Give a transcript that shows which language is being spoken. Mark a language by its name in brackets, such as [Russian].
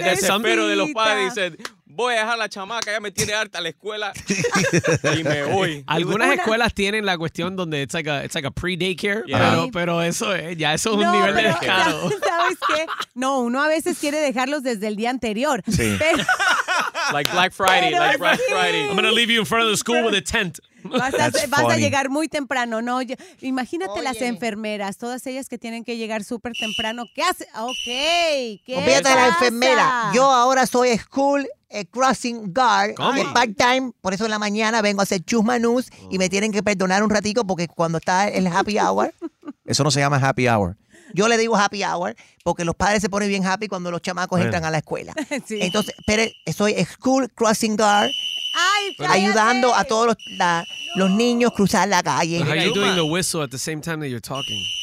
[Spanish] El desespero de los padres dice, voy a dejar a la chamaca, ya me tiene harta la escuela y me voy. Algunas escuelas tienen la cuestión donde [English] it's like a pre-daycare, yeah. [Spanish] pero eso es, ya eso es un nivel de descaro. ¿Sabes qué? No, uno a veces quiere dejarlos desde el día anterior. Sí. [English] Like Black Friday. I'm going to leave you in front of the school with a tent. [Spanish] Vas a llegar muy temprano, ¿no? Imagínate las enfermeras, todas ellas que tienen que llegar súper temprano. ¿Qué hace? Ok, ¿qué pasa? Olvídate de la enfermera. Yo ahora soy school crossing guard. ¿Cómo? Part-time. Por eso en la mañana vengo a hacer chusma news y me tienen que perdonar un ratico porque cuando está el happy hour. Eso no se llama happy hour. Yo le digo happy hour porque los padres se ponen bien happy cuando los chamacos entran a la escuela. Sí. Entonces, pero soy school crossing guard. Ay, ayudando a todos los niños cruzar la calle. [English] How are you doing the whistle at the same time that you're talking?